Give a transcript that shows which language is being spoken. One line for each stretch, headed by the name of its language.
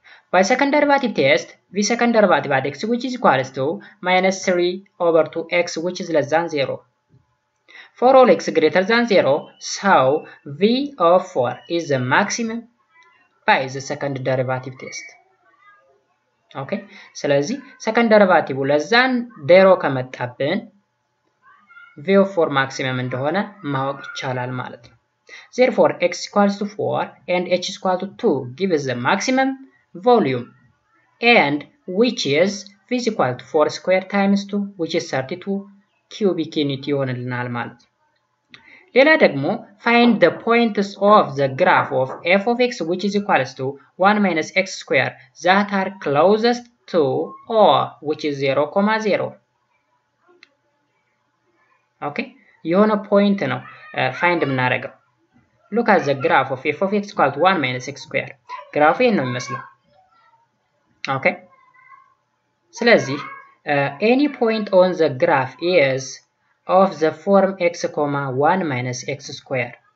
English: By second derivative test, v second derivative at x which is equal to minus 3 over 2x which is less than 0. For all x greater than 0, so v of 4 is the maximum by the second derivative test.
Amharic: Okay, ስለዚህ second derivative ለዛን ዴሮ ከመጣብን v of 4 maximum እንደሆነ ማወቅ ይቻላል ማለት ነው.
English: Therefore x equals to 4 and h is equal to 2 gives the maximum volume and which is v is equal to 4 squared times 2 which is 32 cubic unit
Amharic: ይሆንልናል ማለት ነው. ሌላ ደግሞ
English: find the points of the graph of f of x which is equal to 1 minus x square that are closest to or which is 0,0. Okay?
Amharic: የሆነ point ነው find የምናደርገው.
English: Look at the graph of f of x equal to 1 minus x square.
Amharic: ግራፉ ይህን ነው የሚመስለው.
English: Okay? ስለዚህ any point on the graph is of the form x, 1 minus x square.